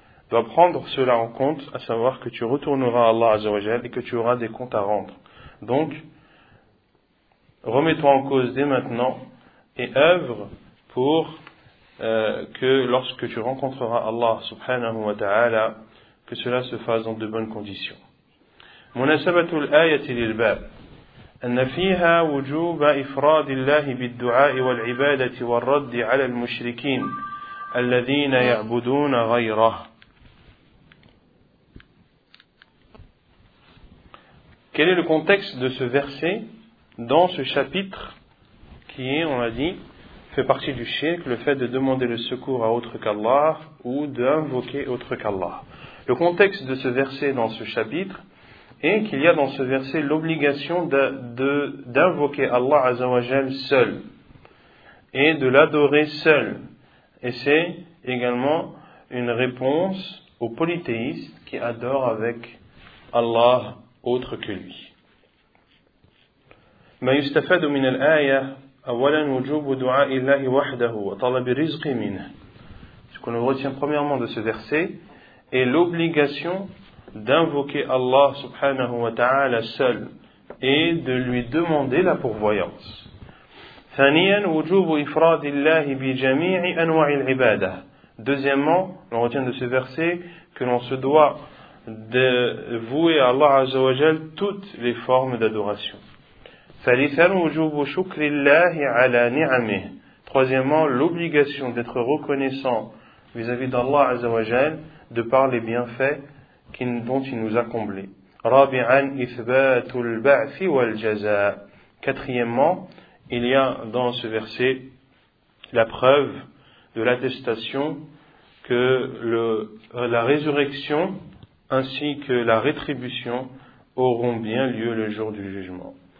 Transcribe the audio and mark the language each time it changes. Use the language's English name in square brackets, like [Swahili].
[French] Doit prendre cela en compte, à savoir que tu retourneras à Allah Azza wa Jal et que tu auras des comptes à rendre. Donc, remets-toi en cause dès maintenant et œuvre pour que lorsque tu rencontreras Allah subhanahu wa ta'ala, que cela se fasse dans de bonnes conditions. [Arabic] مناسبه الايه للباب أن فيها وجوب إفراد الله بالدعاء والعبادة والرد على المشركين الذين يعبدون غيره. [French] Quel est le contexte de ce verset dans ce chapitre qui est, on l'a dit, fait partie du shirk, le fait de demander le secours à autre qu'Allah ou d'invoquer autre qu'Allah. Le contexte de ce verset dans ce chapitre et qu'il y a dans ce verset l'obligation d'invoquer Allah Azza wa Jal seul, et de l'adorer seul. Et c'est également une réponse aux polythéistes qui adorent avec Allah autre que lui. [Arabic] ما يستفاد من الآية أولا وجوب دعاء الله وحده وطلب الرزق منه. [French] Ce qu'on retient premièrement de ce verset est l'obligation d'invoquer Allah subhanahu wa ta'ala seul et de lui demander la pourvoyance. [Arabic] ثانياً وجوب إفراد الله بجميع أنواع العبادة. [French] Deuxièmement, on retient de ce verset que l'on se doit de vouer à Allah azza wa jal toutes les formes d'adoration. [Arabic] ثالثاً وجوب شكر الله على نعمه. [French] Troisièmement, l'obligation d'être reconnaissant vis-à-vis d'Allah azza wa jal de par les bienfaits dont il nous a comblé. [Arabic] Rabi'an ithbatul ba'thi wal jaza'. [French] Quatrièmement, il y a dans ce verset la preuve de l'attestation que la résurrection ainsi que la rétribution auront bien lieu le jour du jugement.